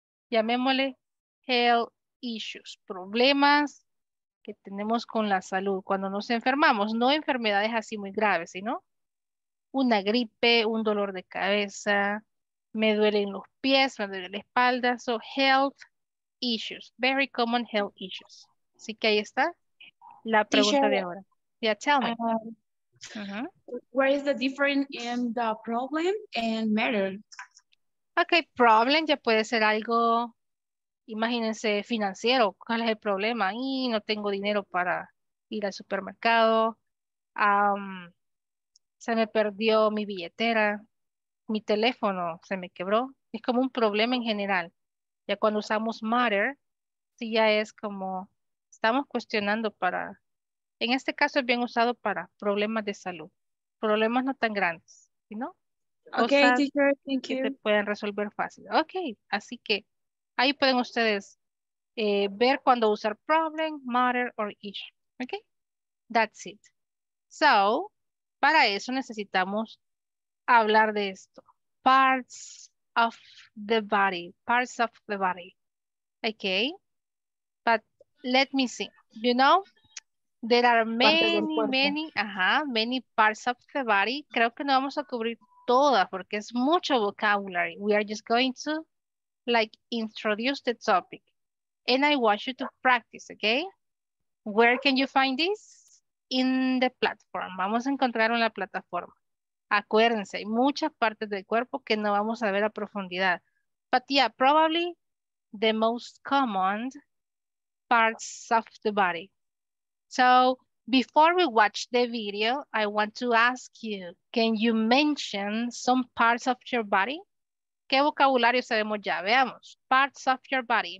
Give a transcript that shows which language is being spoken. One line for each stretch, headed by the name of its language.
Spanish: Llamémosle health issues, problemas que tenemos con la salud cuando nos enfermamos, no enfermedades así muy graves, sino una gripe, un dolor de cabeza, me duelen los pies, me duele la espalda,
English: so health issues, very common health issues.
Spanish: Así que ahí está la pregunta de ahora.
English: Yeah, tell me. What is the difference in the problem and matter?
Spanish: Okay, problem ya puede ser algo, imagínense, financiero. ¿Cuál es el problema? Y no tengo dinero para ir al supermercado. Se me perdió mi billetera. Mi teléfono se me quebró. Es como un problema en general. Ya cuando usamos matter, sí ya es como estamos cuestionando para... En este caso es bien usado para problemas de salud. Problemas no tan grandes, ¿no?
English: Ok, cosas teacher, thank
Spanish: que
English: you.
Spanish: Se pueden resolver fácil. Ok, así que ahí pueden ustedes ver cuándo usar problem, matter, or issue.
English: Ok, that's it. So,
Spanish: para eso necesitamos hablar de esto.
English: Parts of the body. Parts of the body. Ok, but let me see. You know, there are many parts of the body.
Spanish: Creo que no vamos a cubrir todas porque es mucho vocabulary.
English: We are just going to like introduce the topic. And I want you to practice, okay? Where can you find this? In the platform.
Spanish: Vamos a encontrar en la plataforma. Acuérdense, hay muchas partes del cuerpo que no vamos a ver a profundidad.
English: But yeah, probably the most common parts of the body. So before we watch the video, I want to ask you, can you mention some parts of your body?
Spanish: ¿Qué vocabulario sabemos ya? Veamos.
English: Parts of your body.